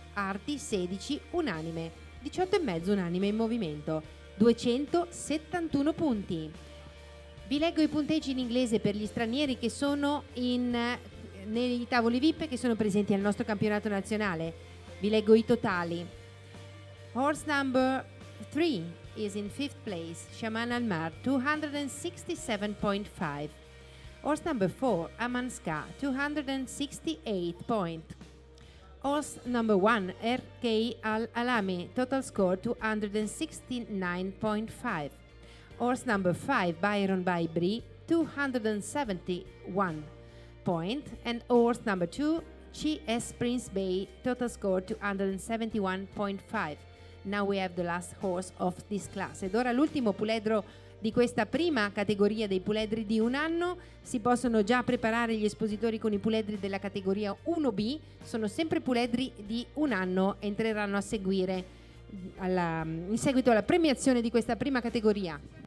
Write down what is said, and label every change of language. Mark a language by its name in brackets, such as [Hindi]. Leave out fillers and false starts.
[Italian] Arti, 16, unanime. 18,5, unanime in movimento. 271 punti. Vi leggo i punteggi in inglese per gli stranieri che sono nei tavoli VIP che sono presenti al nostro campionato nazionale. Vi leggo i totali. [English] Horse number 3 is in 5th place, Shaman Almar, 267.5. Horse number 4, Amanska, 268. Horse number 1, RK Al-Alami, total score 269.5. Horse number 5, Byron by Brie, 271. And horse number 2, CS Prince Bay, total score 271.5. Now we have the last horse of this class. [Italian] Ed ora l'ultimo puledro di questa prima categoria dei puledri di un anno. Si possono già preparare gli espositori con i puledri della categoria 1B. Sono sempre puledri di un anno. Entreranno a seguire in seguito alla premiazione di questa prima categoria.